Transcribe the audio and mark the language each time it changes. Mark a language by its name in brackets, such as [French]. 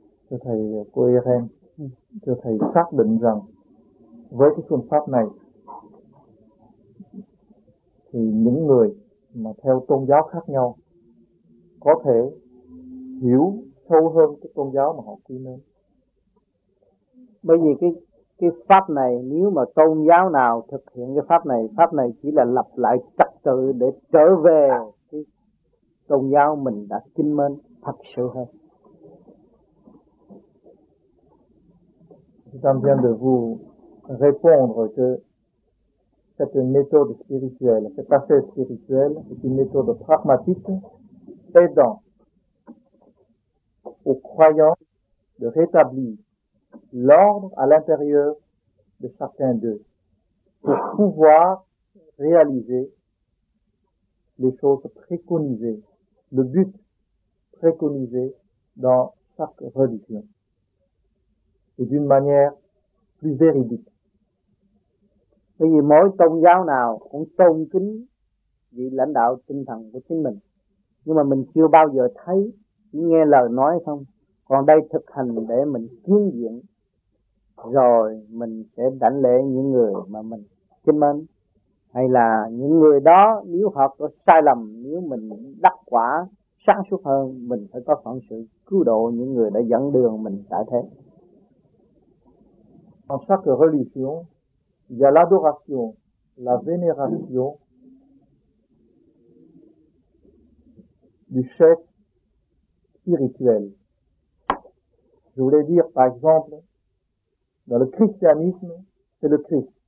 [Vietnamese] Thưa Thầy, cô Eren, thưa Thầy xác định rằng với cái phương pháp này thì những người mà theo tôn giáo khác nhau có thể hiểu sâu hơn cái tôn giáo mà họ quy mến. Bởi vì cái pháp này, nếu mà tôn giáo nào thực hiện cái pháp này chỉ là lập lại trật tự để trở về cái tôn giáo mình đã kính mến thật sự hơn. [French] Je viens de vous répondre que cette méthode spirituelle, cette assez spirituelle, c'est une méthode pragmatique aidant aux croyants de rétablir l'ordre à l'intérieur de chacun d'eux pour pouvoir réaliser les choses préconisées, le but préconisé dans chaque religion et d'une manière plus véridique. [Vietnamese] Bởi vì mỗi tôn giáo nào cũng tôn kính vị lãnh đạo tinh thần của chính mình, nhưng mà mình chưa bao giờ thấy, chỉ nghe lời nói không. Còn đây thực hành để mình kiến diện rồi mình sẽ đảnh lễ những người mà mình kính mến, hay là những người đó nếu họ có sai lầm, nếu mình đắc quả sáng suốt hơn, mình phải có phận sự cứu độ những người đã dẫn đường mình tại thế. [French] En chaque religion, il y a l'adoration, la vénération du chef spirituel. Je voulais dire, par exemple, dans le christianisme, c'est le Christ.